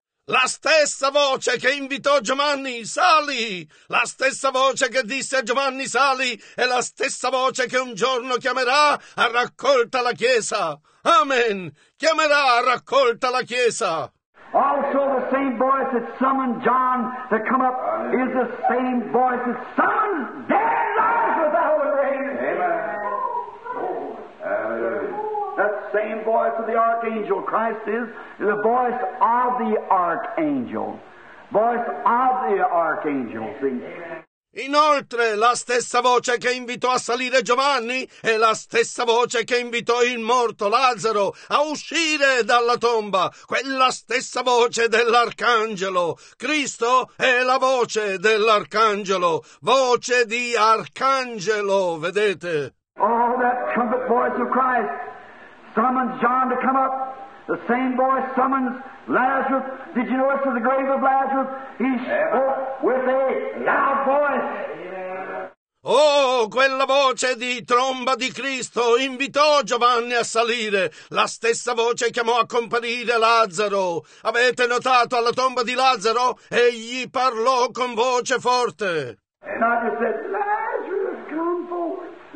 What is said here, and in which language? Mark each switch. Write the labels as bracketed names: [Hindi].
[Italian] La stessa voce che invitò Giovanni, sali! La stessa voce che disse a Giovanni, sali! È la stessa voce che un giorno chiamerà a raccolta la Chiesa. Amen! Chiamerà a raccolta la Chiesa! [English] Also the same voice that summoned John to come up is the same voice that summoned dead and alive with the Holy Spirit. Amen! That same voice of the archangel Christ is the voice of the archangel. Voice of the archangel. [Italian] Inoltre, la stessa voce che invitò a salire Giovanni è la stessa voce che invitò il morto Lazzaro a uscire dalla tomba. Quella stessa voce dell'arcangelo. Cristo è la voce dell'arcangelo. Voce di arcangelo, vedete? [English] Oh, that trumpet voice of Christ summons John to come up. The same voice summons Lazarus. Did you notice in the grave of Lazarus? He spoke with a loud voice. [Italian] Oh, quella voce di tromba di Cristo invitò Giovanni a salire. La stessa voce chiamò a comparire Lazzaro. Avete notato alla tomba di Lazzaro? Egli parlò con voce forte. [English] And I just said, Lazarus, come forward.